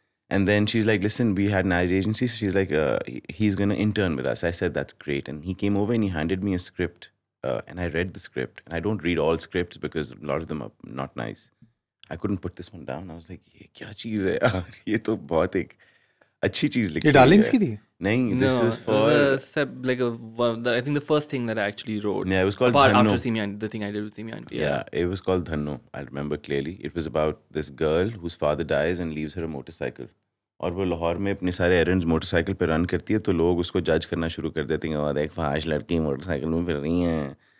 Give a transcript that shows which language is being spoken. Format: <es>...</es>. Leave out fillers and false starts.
<en>And then she is like listen we had an ad agency so she is like he is gonna intern with us. I said that's great. And he came over and he handed me a script and I read the script. And I don't read all scripts because lot of them are not nice. I couldn't put this one down. I was like</en> <hi>ये क्या चीज है यार ये तो बहुत एक अच्छी चीज लिखी. ये डार्लिंग्स की थी. Nahin,</hi> <en>no, this was for was a, like a, the, I think the first thing that I actually wrote. Yeah, it was called Dhannoo. After Simi Aunty, the thing I did with Simi Aunty. Yeah, it was called Dhannoo. I remember clearly. It was about this girl whose father dies and leaves her a motorcycle.</en> <hi>और वो लाहौर में अपने सारे errands motorcycle पे run करती है तो लोग उसको judge करना शुरू कर देते हैं. वहाँ देख फाश लड़की motorcycle में फिर रही हैं.</hi>